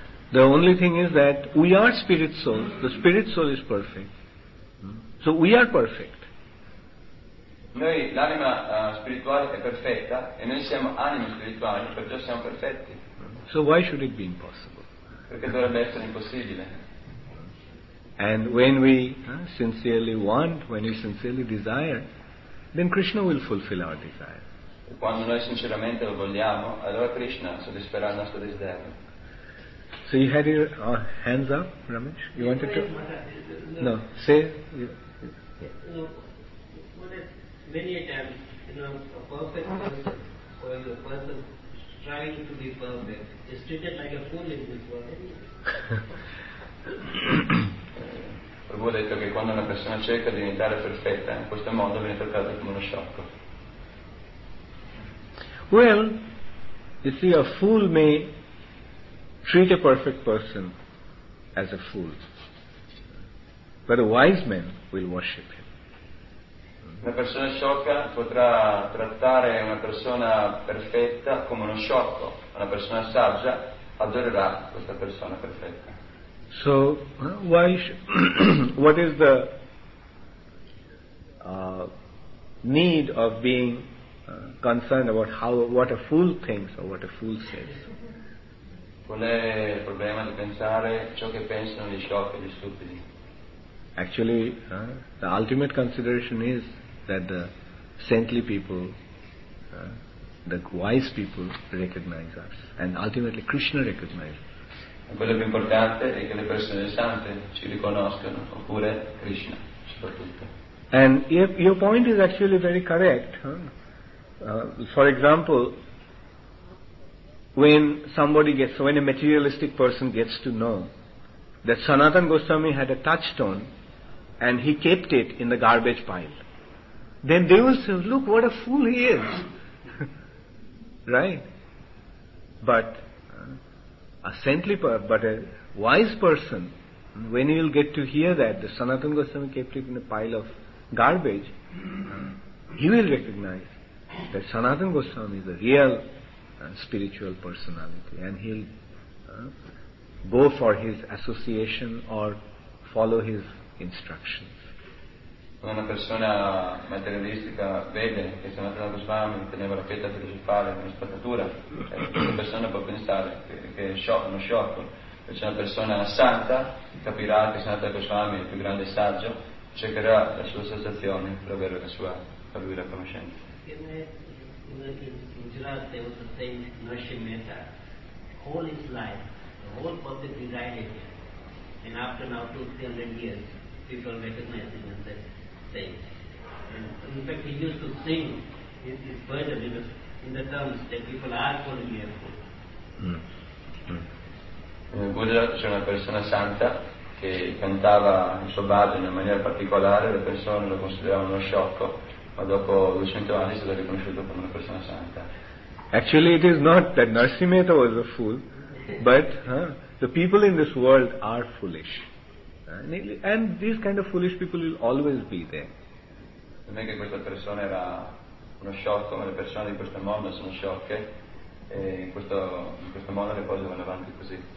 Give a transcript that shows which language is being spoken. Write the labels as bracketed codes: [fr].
[en] The only thing is that we are spirit soul, the spirit soul is perfect. So we are perfect. [it] Noi l'anima spirituale è perfetta e noi siamo anime spirituali, perciò siamo perfetti. [en] So why should it be impossible? [it] Perché dovrebbe essere impossibile? [en] And when we sincerely want, when we sincerely desire, then Krishna will fulfill our desire. [it] E quando noi sinceramente lo vogliamo, allora Krishna soddisferà il nostro desiderio. [en] So you had your hands up, Ramesh? You wanted to? No, say. Many a time, a perfect person, or a person striving to be perfect, is treated like a fool in this world. [it] Prabhu ha detto che quando una persona cerca di diventare perfetta, in questo modo viene trattata come uno sciocco. [en] Well, you see, a fool may treat a perfect person as a fool, but a wise man will worship him. [it] Una persona sciocca potrà trattare una persona perfetta come uno sciocco, una persona saggia adorerà questa persona perfetta. [en] So, why? What is the need of being concerned about how, what a fool thinks or what a fool says? [it] Qual è il problema di pensare ciò che pensano gli sciocchi e gli stupidi? [en] Actually, the ultimate consideration is that the saintly people, the wise people recognize us, and ultimately Krishna recognizes us. [it] Quello più importante è che le persone sante ci riconoscano, oppure Krishna, soprattutto. [en] And your point is actually very correct. For example, when a materialistic person gets to know that Sanatana Goswami had a touchstone and he kept it in the garbage pile, then they will say, look what a fool he is. Right? But a wise person, when he will get to hear that the Sanatana Goswami kept it in a pile of garbage, he will recognize that Sanatana Goswami is a real spiritual personality, and he'll go for his association or follow his instructions. [it] Quando una persona materialistica vede che Sanatana Goswami teneva la pietra principale in una spazzatura, una persona può pensare che è uno sciocco. Invece una persona santa capirà che Sanatana Goswami è il più grande saggio, cercherà la sua associazione per avere la sua fabbrica conoscenza. [en] In Gujarat there was a saint, Narsim Mehta. All his life, the whole public resided here. And after now 200-300 years, people recognized him as a saint. And in fact, he used to sing his version in the terms that people are calling him a fool. [it] In Gujarat c'è una persona santa che cantava il suo bhajan in maniera particolare, le persone lo consideravano uno sciocco. Ma dopo 200 anni si è riconosciuto come una persona santa. [en] Actually, it is not that Narsimha Mehta was a fool, but the people in this world are foolish, and these kind of foolish people will always be there. [it] Non è che questa persona era uno sciocco, ma le persone di questo mondo sono sciocche, e in questo mondo le cose vanno avanti così.